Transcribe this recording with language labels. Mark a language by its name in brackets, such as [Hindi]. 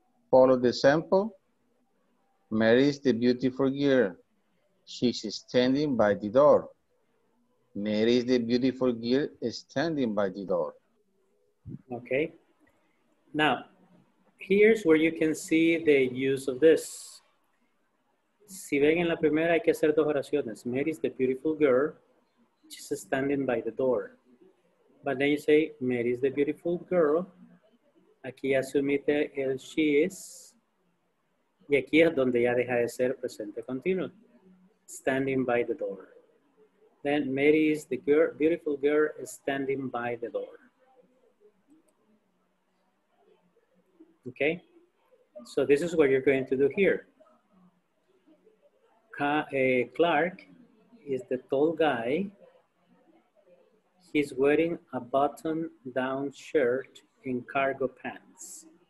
[English] Follow the sample. Mary is the beautiful girl. She's standing by the door. Mary is the beautiful girl standing by the door. Okay. Now, here's where you can see the use of this. [Spanish] Si ven en la primera, hay que hacer dos oraciones. [English] Mary is the beautiful girl. She's standing by the door. But then you say, Mary is the beautiful girl. [Spanish] Aquí asumite el [English] she is. [Spanish] Y aquí es donde ya deja de ser presente continuo. [English] Standing by the door. Then Mary is the girl, beautiful girl standing by the door. Okay, so this is what you're going to do here. Clark is the tall guy. He's wearing a button-down shirt and cargo pants.